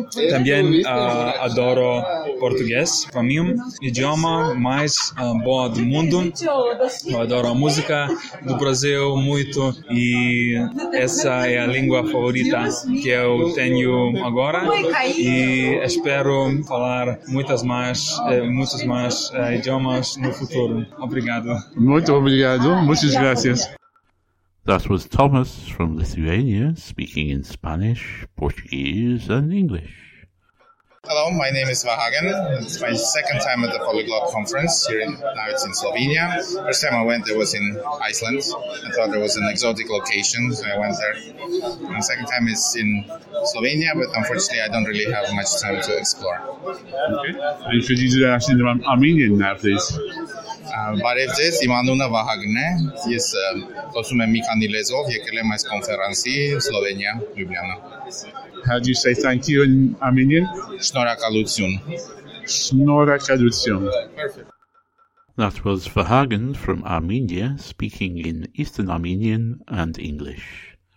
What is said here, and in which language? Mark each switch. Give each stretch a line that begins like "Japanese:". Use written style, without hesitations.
Spanish: También adoro portugués,
Portuguese: famium, idioma mais boa do mundo, adoro a música do Brasil muito, e essa é a língua favorita que eu tenho agora e espero falar muitos mais idiomas no futuro. Obrigado. Muito obrigado. Muitas graças.
English: That was Thomas from Lithuania speaking in Spanish, Portuguese and English. Hello, my name is Vahagen. It's my second time at the Polyglot Conference. Now it's in Slovenia. First time I went, it was in Iceland. I thought it was an exotic location, so I went there. And second time is in Slovenia, but unfortunately I don't really have much time to explore. Okay. And could you ask in Armenian now, please?
Armenian: Բարևձեզ, իմ անունն է Վահագնը, ես խոսում եմ մի քանի լեզվով, եկել եմ այս կոնֆերանսի Սլովենիա, Լյուբլյանա.
English: How do you say thank you in Armenian?
Armenian: Շնորհակալություն. Շնորհակալություն.
English: That was Վահագն from Armenia speaking in Eastern Armenian and English.